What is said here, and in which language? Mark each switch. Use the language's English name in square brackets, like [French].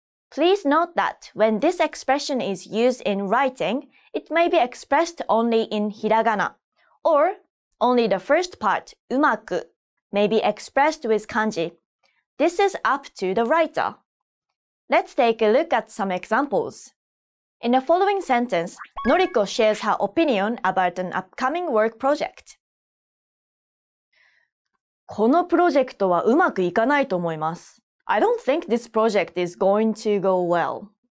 [English] Please note that when this expression is used in writing,It may be expressed only in hiragana, or only the first part, umaku, may be expressed with kanji. This is up to the writer. Let's take a look at some examples. In the following sentence, Noriko shares her opinion about an upcoming work project. [Japanese] このプロジェクトはうまくいかないと思います。 [English] I don't think this project is going to go well.